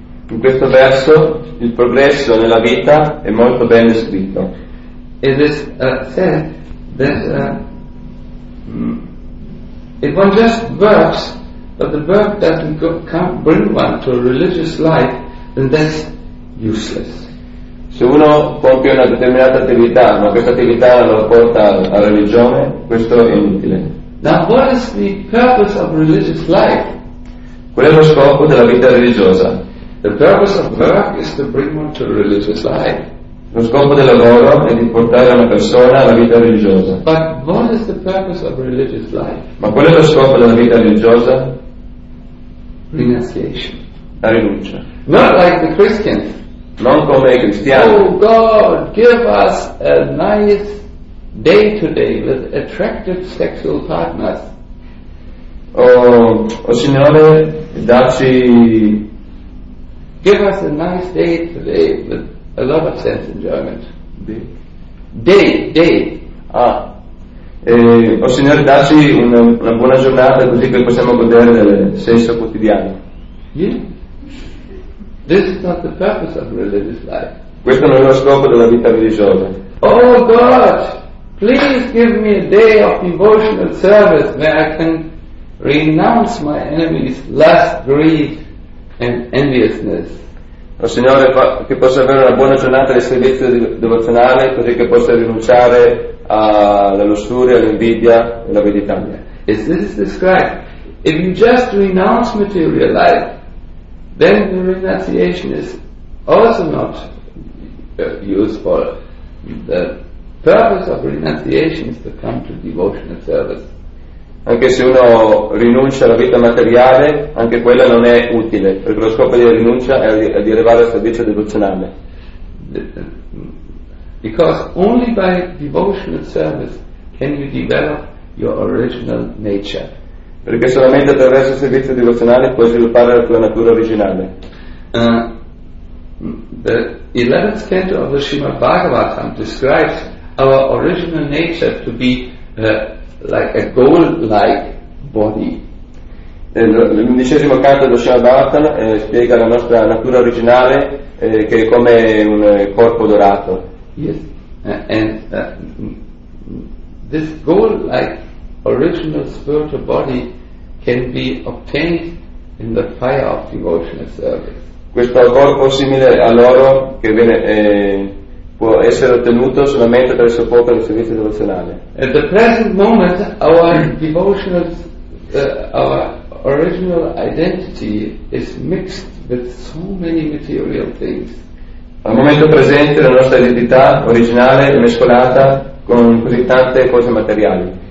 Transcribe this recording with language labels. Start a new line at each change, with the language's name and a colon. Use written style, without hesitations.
Italian: In questo verso il progresso nella vita è molto ben descritto.
English: It is said that it was just verbs, but the verb that can bring one to a religious life, then that's useless.
Italian: Se uno compie una determinata attività, ma questa attività lo porta alla religione, questo è inutile.
English: Now, what is the purpose of religious life?
Italian: Qual è lo scopo della vita religiosa?
English: The purpose of work is to bring one to a religious life.
Italian: Lo scopo del lavoro è di portare una persona alla vita religiosa.
English: But what is the purpose of religious life?
Italian: Ma qual è lo scopo della vita religiosa?
English: Renunciation.
Italian: La rinuncia.
English: Not like the Christians.
Italian: Non come i cristiani.
English: Oh God, give us a nice day today with attractive sexual partners.
Italian: Oh Signore, dacci.
English: Give us a nice day today with a lot of sense enjoyment. Day. Ah.
Italian: Signore, dacci una buona giornata così che possiamo godere del sesso quotidiano. Yeah.
English: This is not the purpose of religious life.
Italian: Questo non è lo scopo della vita religiosa.
English: Oh God, please give me a day of devotional service where I can renounce my enemies, lust, greed, and enviousness.
Italian: Oh Signore, che possa avere una buona giornata di servizio devozionale così che possa rinunciare alla lussuria, all'invidia e all'avidità.
English: Is this described? If you just renounce material life, then the renunciation is also not useful. The purpose of renunciation is to come to devotional service.
Italian: Anche se uno rinuncia alla vita materiale, anche quella non è utile, perché lo scopo della rinuncia è di arrivare al servizio devozionale.
English: Because only by devotional service can you develop your original nature.
Italian: Perché solamente attraverso il servizio devozionale puoi sviluppare la tua natura originale.
English: The 11th canto of the Srimad Bhagavatam describes our original nature to be like a gold-like body.
Italian: L'undicesimo canto dello Srimad Bhagavatam spiega la nostra natura originale che è come un corpo dorato.
English: Yes, and this gold-like original spiritual body can be obtained in the fire of devotional service.
Italian: Questo corpo simile a loro che viene può essere ottenuto solamente per il suo fuoco del servizio devozionale.
English: At the present moment, our devotional, our original identity is mixed with so many material things.
Italian: Al momento presente, la nostra identità originale è mescolata con così tante cose materiali.